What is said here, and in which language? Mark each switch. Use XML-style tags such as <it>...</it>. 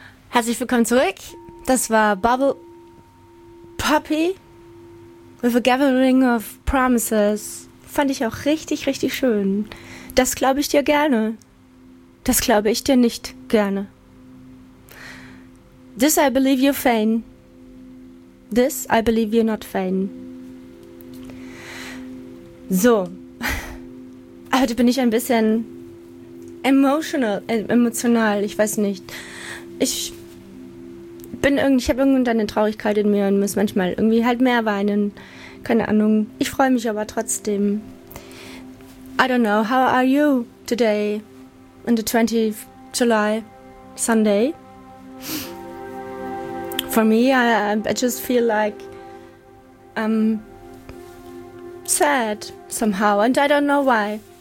<de>Herzlich willkommen zurück. Das war Bubble Puppy with a Gathering of Promises. Fand ich auch richtig, richtig schön. Das glaube ich dir gerne. Das glaube ich dir nicht gerne.</de> <en>This I believe you're vain. This I believe you're not vain.</en> <de>So. Heute bin ich ein bisschen emotional. Ich weiß nicht. Ich habe irgendwann eine Traurigkeit in mir und muss manchmal irgendwie halt mehr weinen. Keine Ahnung. Ich freue mich aber trotzdem.</de> <en>I don't know. How are you today on the 20th July Sunday? For me, I just feel like I'm sad somehow and I don't know why.</en>